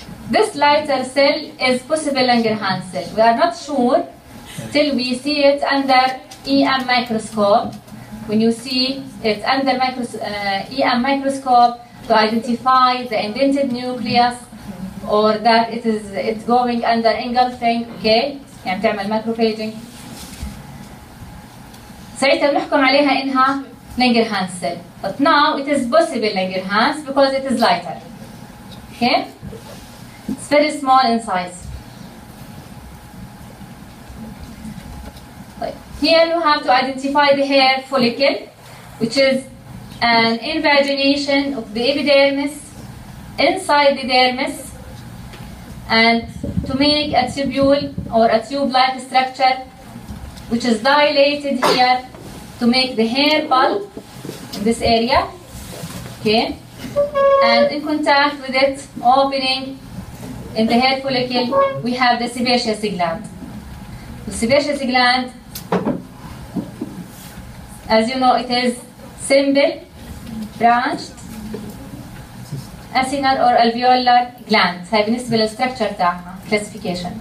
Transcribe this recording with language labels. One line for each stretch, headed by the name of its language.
English: This lighter cell is possible Langerhans cell. We are not sure till we see it under EM microscope. When you see it under EM microscope to identify the indented nucleus, or that it's going under engulfing, okay?
Arabic: يعني بتعمل macrophaging. ساعتها بنحكم عليها إنها Langerhans cell.
English: But now it is possible Langerhans because it is lighter. Okay? It's very small in size. Here you have to identify the hair follicle, which is an invagination of the epidermis inside the dermis. And to make a tubule or a tube-like structure which is dilated here to make the hair bulb in this area, okay, and in contact with it opening in the hair follicle we have the sebaceous gland. The sebaceous gland, as you know, it is simple branched acinar or alveolar gland.
Arabic: هاي بالنسبة للستركتشر تاعها classification.